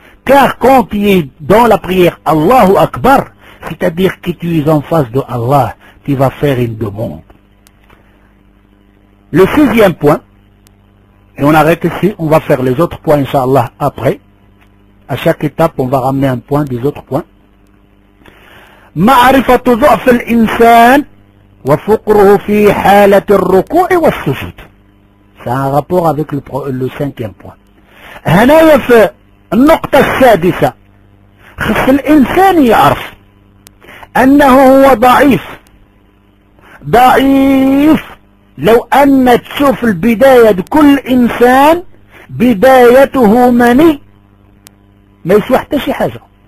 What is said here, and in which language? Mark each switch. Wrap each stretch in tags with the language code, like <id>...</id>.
<fr>Car quand tu es dans la prière Allahu Akbar, c'est-à-dire que tu es en face de Allah, tu vas faire une demande. Le sixième point, et on arrête ici, on va faire les autres points inshallah après. À chaque étape, on va ramener un point des autres points.</fr> <ar>Ma'rifatu dhu'f al-insan وفقره في حالة الركوع والسجود.</ar> <fr>C'est un rapport avec le cinquième point.</fr> <ar>هنايا في النقطة السادسة خص الإنسان يعرف أنه هو ضعيف. ضعيف لو أن تشوف البداية بكل إنسان بدايته مني ما يسوى حتى شي حاجة.</ar>